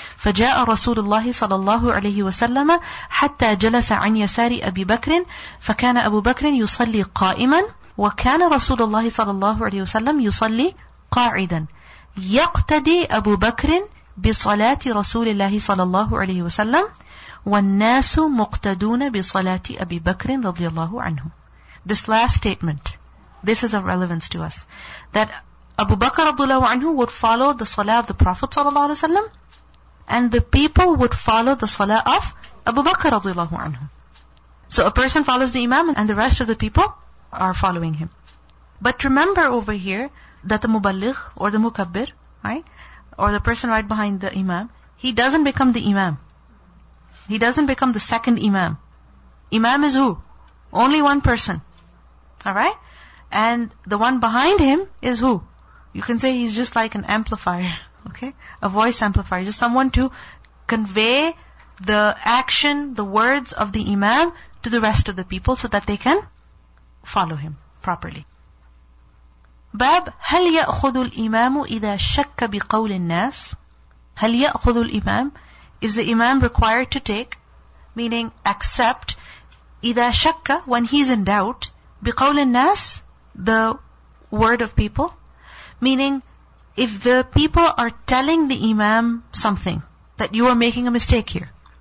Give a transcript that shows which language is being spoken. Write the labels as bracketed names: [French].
[Arabic] فجاء رسول الله صلى الله عليه وسلم حتى جلس عن يسار أبي بكر, فكان أبو بكر يصلي قائما وكان رسول الله صلى الله عليه وسلم يصلي قاعدا. يقتدي أبو بكر بصلاة رسول الله صلى الله عليه وسلم والناس مقتدون بصلاة أبي بكر رضي الله عنه. [English] This last statement, this is of relevance to us, that Abu Bakr radiallahu anhu would follow the salah of the Prophet sallallahu alaihi wasallam, and the people would follow the salah of Abu Bakr radiallahu anhu. So a person follows the imam and the rest of the people are following him. But remember over here that the muballigh or the mukabbir, right, or the person right behind the imam, he doesn't become the imam. He doesn't become the second imam. Imam is who? Only one person. Alright? And the one behind him is who? You can say he's just like an amplifier, okay? A voice amplifier. Just someone to convey the action, the words of the imam to the rest of the people so that they can follow him properly. [Arabic] باب هل يأخذ الإمام إذا شك بقول الناس. هل يأخذ الإمام, [English] is the imam required to take, meaning accept, [Arabic] إذا شك, [English] when he's in doubt, [Arabic] بقول الناس, [English] the word of people, meaning if the people are telling the imam something, that you are making a mistake here,